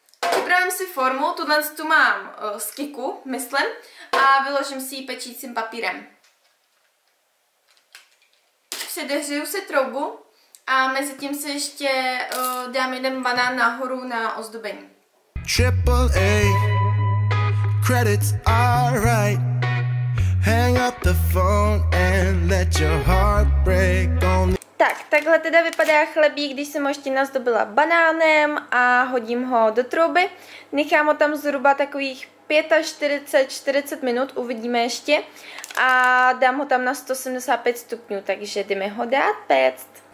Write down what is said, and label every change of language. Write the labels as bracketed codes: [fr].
[cs] Připravím si formu, tuhle tu mám z Kiku, myslím, a vyložím si ji pečícím papírem. Předehřiju si troubu a mezi tím si ještě dám jeden banán nahoru na ozdobení. AAA. Credits are right. [en] Hang up the phone and let your heart break on. [cs] Tak, takhle teda vypadá chlebík, když jsem ho ještě nazdobila banánem a hodím ho do trouby. Nechám ho tam zhruba takových 45-40 minut, uvidíme ještě. A dám ho tam na 175 stupňů, takže jdeme ho dát péct.